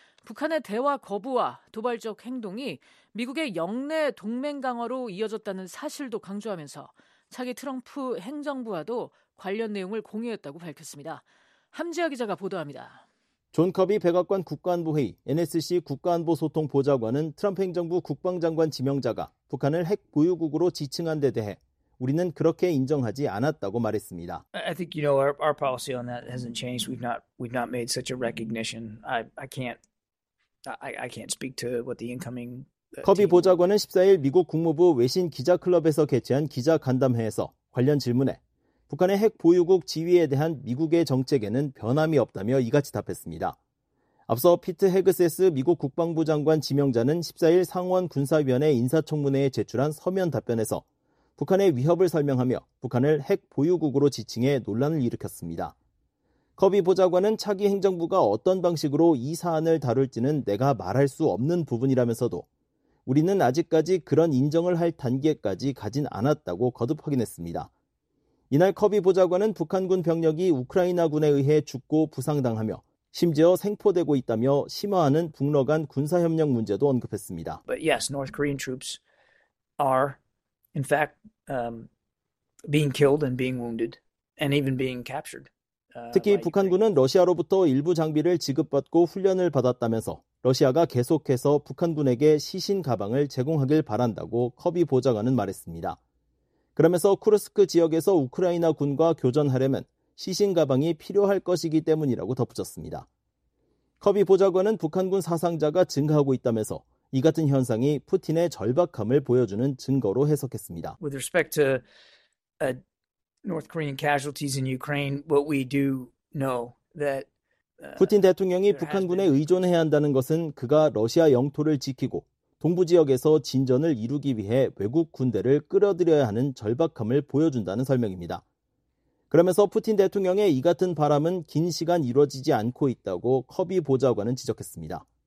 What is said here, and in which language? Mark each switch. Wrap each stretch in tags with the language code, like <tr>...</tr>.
<ko>북한의 대화 거부와 도발적 행동이 미국의 영내 동맹 강화로 이어졌다는 사실도 강조하면서 차기 트럼프 행정부와도 관련 내용을 공유했다고 밝혔습니다. 함지아 기자가 보도합니다. 존 커비 백악관 국가안보회의 NSC 국가안보소통보좌관은 트럼프 행정부 국방장관 지명자가 북한을 핵 보유국으로 지칭한 데 대해 우리는 그렇게 인정하지 않았다고 말했습니다.</ko> <en>I think you know our policy on that hasn't changed. We've not made such a recognition. I can't speak to what the incoming</en> <ko>커비 보좌관은 14일 미국 국무부 외신 기자클럽에서 개최한 기자간담회에서 관련 질문에 북한의 핵 보유국 지위에 대한 미국의 정책에는 변함이 없다며 이같이 답했습니다. 앞서 피트 헤그세스 미국 국방부 장관 지명자는 14일 상원 군사위원회 인사청문회에 제출한 서면 답변에서 북한의 위협을 설명하며 북한을 핵 보유국으로 지칭해 논란을 일으켰습니다. 커비 보좌관은 차기 행정부가 어떤 방식으로 이 사안을 다룰지는 내가 말할 수 없는 부분이라면서도 우리는 아직까지 그런 인정을 할 단계까지 가진 않았다고 거듭 확인했습니다. 이날 커비 보좌관은 북한군 병력이 우크라이나군에 의해 죽고 부상당하며 심지어 생포되고 있다며 심화하는 북러 간 군사협력 문제도 언급했습니다.</ko> <en>But yes, North Korean troops are in fact being killed and being wounded and even being captured.</en> <ko>특히 북한군은 러시아로부터 일부 장비를 지급받고 훈련을 받았다면서 러시아가 계속해서 북한군에게 시신 가방을 제공하길 바란다고 커비 보좌관은 말했습니다. 그러면서 쿠르스크 지역에서 우크라이나 군과 교전하려면 시신 가방이 필요할 것이기 때문이라고 덧붙였습니다. 커비 보좌관은 북한군 사상자가 증가하고 있다면서 이 같은 현상이 푸틴의 절박함을 보여주는 증거로 해석했습니다.</ko> <en>With respect to North Korean casualties in Ukraine, what we do know that</en> <ko>푸틴 대통령이 북한군에 의존해야 한다는 것은 그가 러시아 영토를 지키고 동부 지역에서 진전을 이루기 위해 외국 군대를 끌어들여야 하는 절박함을 보여준다는 설명입니다. 그러면서 푸틴 대통령의 이 같은 바람은 긴 시간 이루어지지 않고 있다고 커비 보좌관은 지적했습니다.</ko>